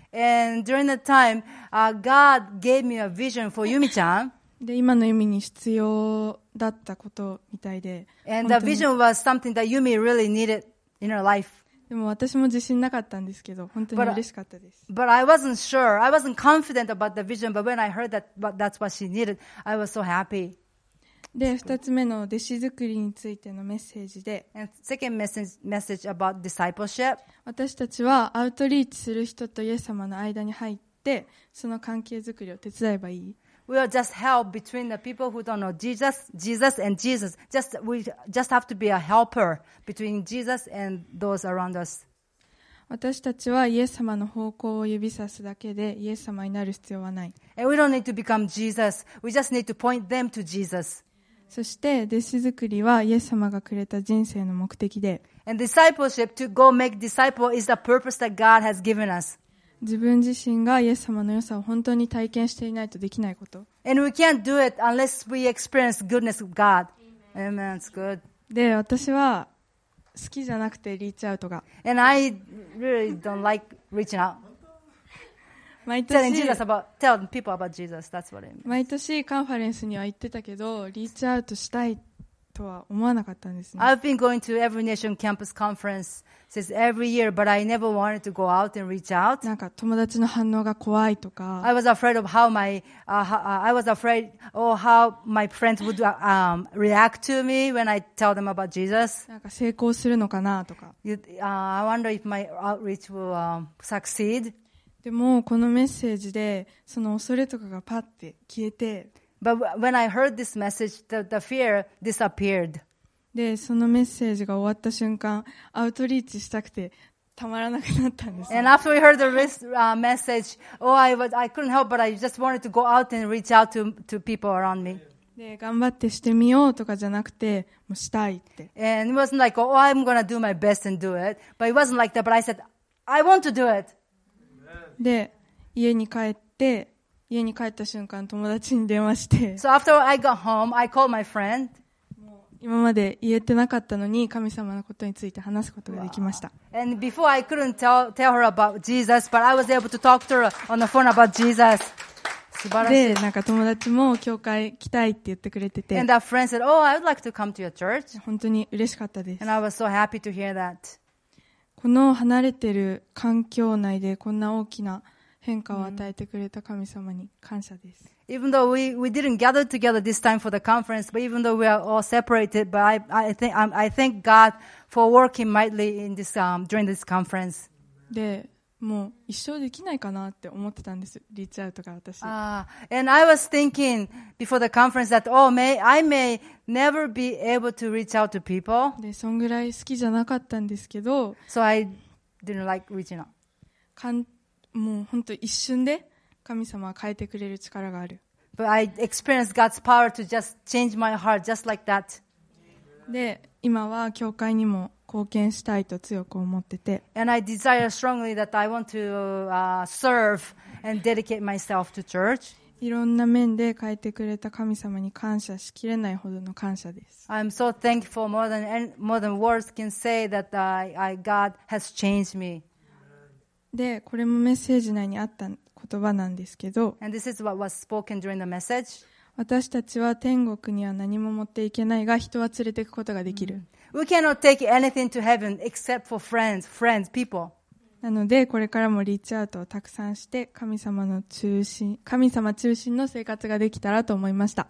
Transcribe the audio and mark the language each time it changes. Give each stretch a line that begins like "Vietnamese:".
English: And during the time, God gave me a vision for Yumi-chan.
Japanese: で、今の由美に必要だったことみたいで、
English: And the vision was something that Yumi really needed in her life.
Japanese: でも私も自信なかったんですけど、本当に嬉しかったです。
English: But I wasn't sure. I wasn't confident about the vision. But when I heard that that's what she needed, I was so happy.
Japanese: で、二つ目の弟子作りについてのメッセージで、
English: Second message about discipleship.
Japanese: 私たちはアウトリーチする人とイエス様の間に入って、その関係作りを手伝えばいい。
English: We are just help between the people who don't know Jesus, Jesus and Jesus. We just have to be a helper between Jesus and those around us.
Japanese: 私たちはイエス様の方向を指さすだけでイエス様になる必要はない。
English: And we don't need to become Jesus. We just need to point them to Jesus.
Japanese: そして弟子作りはイエス様がくれた人生の目的で、
English: And discipleship to go make disciples is the purpose that God has given us.
Japanese: 自分自身がイエス様の良さを本当に体験していないとできないこと。
English: And we can't do it unless we experience goodness of God. Amen. It's good.
Japanese: で、私は好きじゃなくてリーチアウトが。
English: And I really don't like reaching out.
Japanese: 毎年
English: telling Jesus about, tell people about Jesus. That's what I mean.
Japanese: 毎年カンファレンスには行ってたけど、リーチアウトしたいとは思わなかったんですね。
English: I've been going to every nation campus conference since every year, but I never wanted to go out and reach out.
Japanese: なんか友達の反応が怖いとか。
English: I was afraid of how my, I was afraid of how my friends would react to me when I tell them about Jesus.
Japanese: なんか成功するのかなとか。
English: I wonder if my outreach will succeed.
Japanese: でもこのメッセージでその恐れとかがパッて消えて、
English: But when I heard this message, the fear disappeared.
Japanese: でそのメッセージが終わった瞬間、アウトリーチしたくてたまらなくなったんです。
English: And after we heard the message, oh, I couldn't help but I just wanted to go out and reach out to people around me.
Japanese: で頑張ってしてみようとかじゃなくて、もうしたいって。
English: And it wasn't like, oh, I'm gonna do my best and do it, but it wasn't like that. But I said, I want to do it.
Japanese: で家に帰って、家に帰った瞬間友達に電話して、
English: So after I got home, I called my friend.
Japanese: 今まで言えてなかったのに神様のことについて話すことができました。
English: Wow. And before I couldn't tell her about Jesus, but I was able to talk to her on the phone about Jesus.
Japanese: 素晴らしい。でなんか友達も教会来たいって言ってくれてて、
English: And that friend said, "Oh, I would like to come to your church."
Japanese: 本当に嬉しかったです。
English: And I was so happy to hear that.
Japanese: この離れてる環境内でこんな大きな変化を与えてくれた神様に感謝です。
English: Even though we didn't gather together this time for the conference, but even though we are all separated, but I thank God for working mightily in this, during this conference.
Japanese: で、もう一生できないかなって思ってたんです。リーチアウトが私。
English: And I was thinking before the conference that, oh, I may never be able to reach out to people.
Japanese: で、そんぐらい好きじゃなかったんですけど。
English: So I didn't like reaching out.
Japanese: もう本当一瞬で神様は変えてくれる力がある。
English: But I experienced God's power to just change my heart just like that.
Japanese: で、今は教会にも貢献したいと強く思ってて、
English: And I desire strongly that I want to serve and dedicate myself to church.
Japanese: いろんな面で変えてくれた神様に感謝しきれないほどの感謝です。
English: I'm so thankful more than words can say that I God has changed me.
Japanese: で、これもメッセージ内にあった言葉なんですけど、
English: And this is what was spoken during the message.
Japanese: 私たちは天国には何も持っていけないが、人は連れていくことができる。
English: We cannot take anything to heaven except for friends, friends, people.
Japanese: なのでこれからもリーチアウトをたくさんして神様中心の生活ができたらと思いました。